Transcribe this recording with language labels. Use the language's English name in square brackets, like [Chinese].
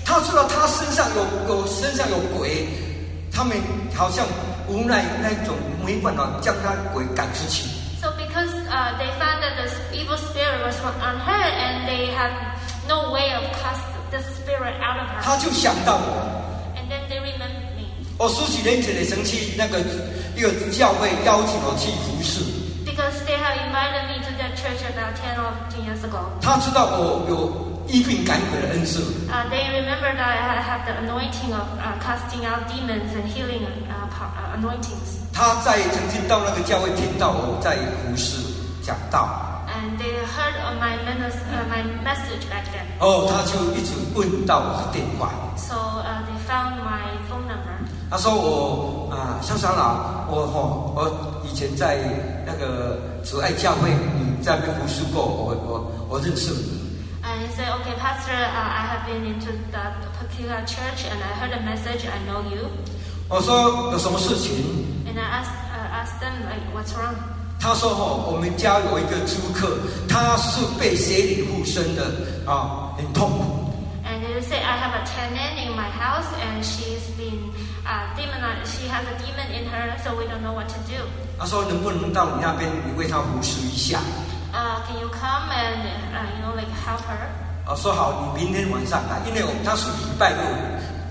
[Chinese] 他说了，他身上有鬼，他们好像无奈那种没办法。 [English] So because they found that the evil spirit was on her, and they have no way of cast the spirit out of her. [Chinese] 他就想到我。 [English] And then they remembered me. [Chinese] 我十几年前的生气，那个一个教会邀请我去服侍。 [English] Because they have invited me to their church about 10 or 15 years ago. [Chinese] 他知道我有医病赶鬼的恩赐。 [English] They remember that I have the anointing of casting out demons and healing anointings. [Chinese] 他在曾经到那个教会听到我在服事讲道。 [English] And they heard of my message back then. [Chinese] 哦，他就一直问到我的电话。 [English] So they found my phone number. [Chinese] 他说我小长老，我以前在。那个慈爱教会，你在那边服侍过，我认识你。 [English] And he said, "Okay, Pastor, I have been into that particular church, and I heard a message. I know you." [Chinese] 我说有什么事情 [English] ？And I asked them, like, "What's wrong?" [Chinese] 他说哦，我们家有一个租客，他是被邪灵附身的啊，很痛苦。 [English] And he said, "I have a tenant in my house, and she's been demonized. She has a demon in her, so we don't know what to do." [Chinese] 他说：“能不能到你那边，你为他服侍一下？” [English] Can you come and you know like help her? [Chinese] 我说好，你明天晚上来，因为他是礼拜六